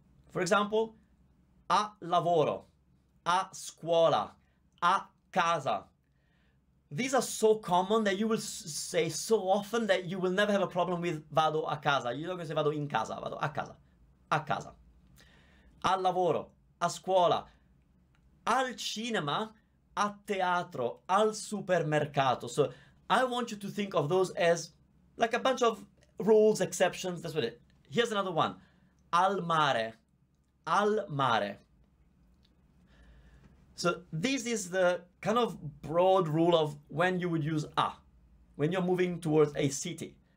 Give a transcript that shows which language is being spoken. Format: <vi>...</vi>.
<en>For example,</en> <it>a lavoro, a scuola, a casa.</it> <en>These are so common that you will say so often that you will never have a problem with</en> <it>vado a casa.</it> <en>You're not going to say</en> <it>vado in casa, vado a casa,</it> <en>a casa.</en> <it>Al lavoro, a scuola, al cinema, a teatro, al supermercato.</it> <en>So I want you to think of those as like a bunch of rules, exceptions, that's what it is. Here's another one.</en> <it>Al mare, al mare.</it> <en>So this is the kind of broad rule of when you would use a, when you're moving towards a city.</en>